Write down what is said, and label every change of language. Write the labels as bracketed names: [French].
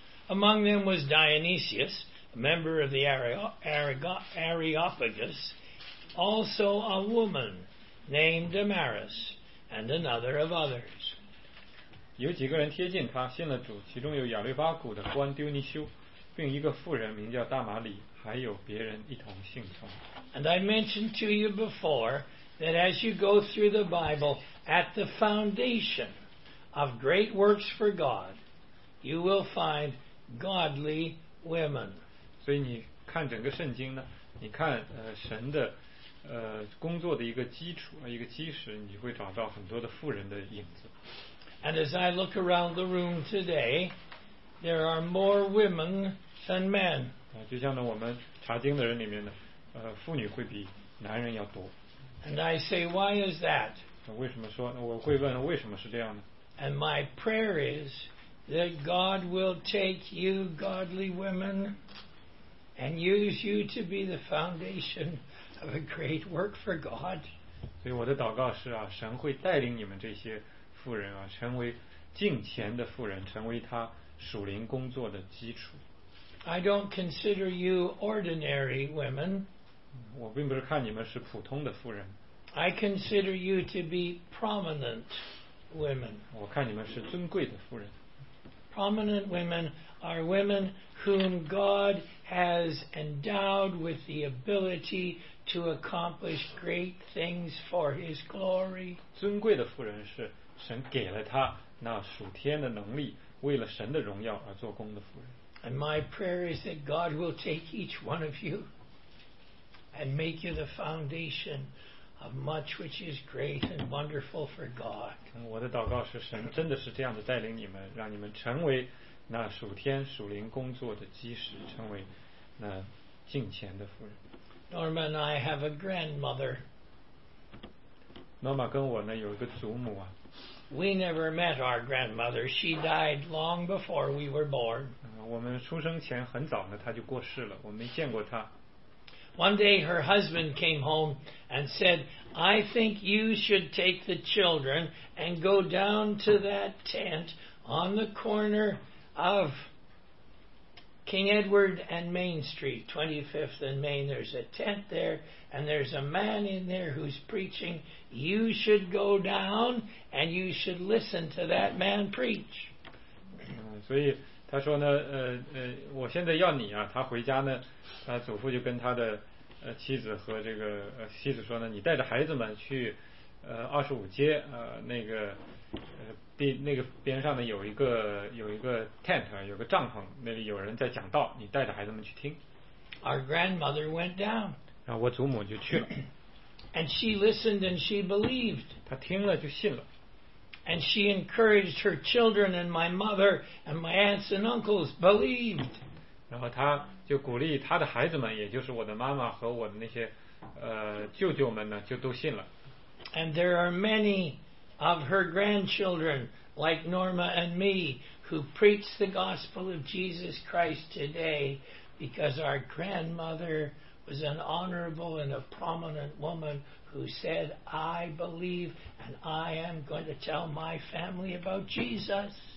[English] Among them was Dionysius, a member of the Areopagus, also a woman named Damaris, and another of others. [Chinese] 有几个人贴近他，信了主，其中有亚律巴古的官丢尼修，并一个妇人名叫大马里，还有别人一同信从。 [English] And I mentioned to you before that as you go through the Bible, at the foundation of great works for God, you will find godly women. [Chinese] 所以你看整个圣经呢，你看神的工作的一个基础一个基石，你会找到很多的妇人的影子。 [English] And as I look around the room today, there are more women than men. [Chinese] 就像呢，我们查经的人里面呢，妇女会比男人要多。 [English] And I say, why is that? [Chinese] 为什么说？我会问为什么是这样呢？ [English] And my prayer is that God will take you godly women and use you to be the foundation of a great work for God. [Chinese] 所以我的祷告是啊，神会带领你们这些妇人啊，成为敬虔的妇人，成为他属灵工作的基础。 [English] I don't consider you ordinary women. [Chinese] 我并不是看你们是普通的妇人。 [English] I consider you to be prominent women. [Chinese] 我看你们是尊贵的妇人。 [English] Prominent women are women whom God has endowed with the ability to accomplish great things for His glory. [Chinese] 尊贵的妇人是神给了他那属天的能力，为了神的荣耀而做工的妇人。 [English] And my prayer is that God will take each one of you and make you the foundation of much which is great and wonderful for God. [Chinese] 我的祷告是神真的是这样的带领你们，让你们成为那属天属灵工作的基石，成为那敬虔的妇人。 [English] Norma and I have a grandmother. [Chinese] Norma 跟我呢有一个祖母啊。 [English] We never met our grandmother. She died long before we were born. [Chinese] 我们出生前很早呢，她就过世了，我没见过她。 [English] One day her husband came home and said, I think you should take the children and go down to that tent on the corner of King Edward and Main Street, 25th and Main. There's a tent there, and there's a man in there who's preaching. You should go down and you should listen to that man preach. [Chinese] 所以他说呢，我现在要你啊，他回家呢，他祖父就跟他的妻子和这个妻子说呢，你带着孩子们去25街那个边上呢有一个 tent， 有个帐篷，那里有人在讲道，你带着孩子们去听。 [English] Our grandmother went down， [Chinese] 然后我祖母就去了。 [English] And she listened and she believed， [Chinese] 她听了就信了。 [English] And she encouraged her children and my mother and my aunts and uncles believed， [Chinese] 然后她就鼓励她的孩子们，也就是我的妈妈和我的那些舅舅们呢，就都信了。 [English] And there are many of her grandchildren like Norma and me who preach the gospel of Jesus Christ today because our grandmother was an honorable and a prominent woman who said, I believe and I am going to tell my family about Jesus.